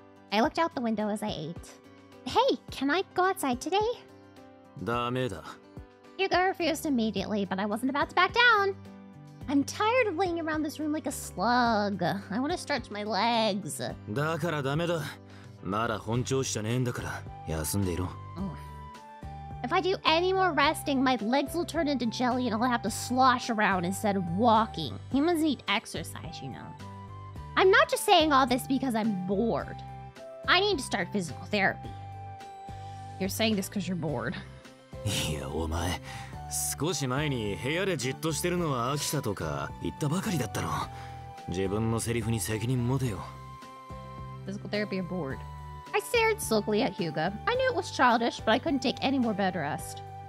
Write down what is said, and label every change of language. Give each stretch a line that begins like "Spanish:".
English: I looked out the window as I ate. Hey, can I go outside today?
Japanese: ダメだ.
English: Hyuga refused immediately, but I wasn't about to back down. I'm tired of laying around this room like a slug. I want to stretch my legs.
Japanese: だからダメだ. まだ本調子じゃねえんだから、休んでいろ.
English: If I do any more resting, my legs will turn into jelly and I'll have to slosh around instead of walking. Humans need exercise, you know. I'm not just saying all this because I'm bored. I need to start physical therapy. You're saying this because you're bored.
Japanese: いや、お前、少し前に部屋でじっとしてるのは飽きたとか言ったばかりだったろ。自分のセリフに責任持てよ。
English: Physical therapy, you're bored. I stared sulkily at Hyuga. I knew it was childish, but I couldn't take any more bed rest.